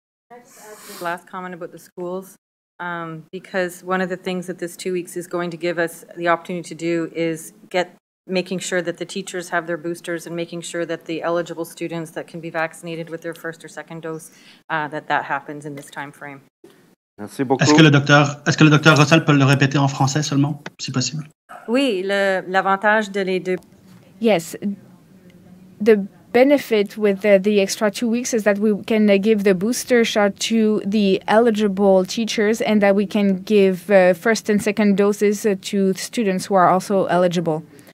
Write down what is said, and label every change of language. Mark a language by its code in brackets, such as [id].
[en] The last comment about the schools, because one of the things that this 2 weeks is going to give us the opportunity to do is making sure that the teachers have their boosters and making sure that the eligible students that can be vaccinated with their first or second dose, that happens in this time frame. [fr] Merci beaucoup. Est-ce que le docteur Russell peut le répéter en français seulement, si possible? Oui, l'avantage de les deux. [en] Yes, the benefit with the extra 2 weeks is that we can give the booster shot to the eligible teachers and that we can give first and second doses to students who are also eligible.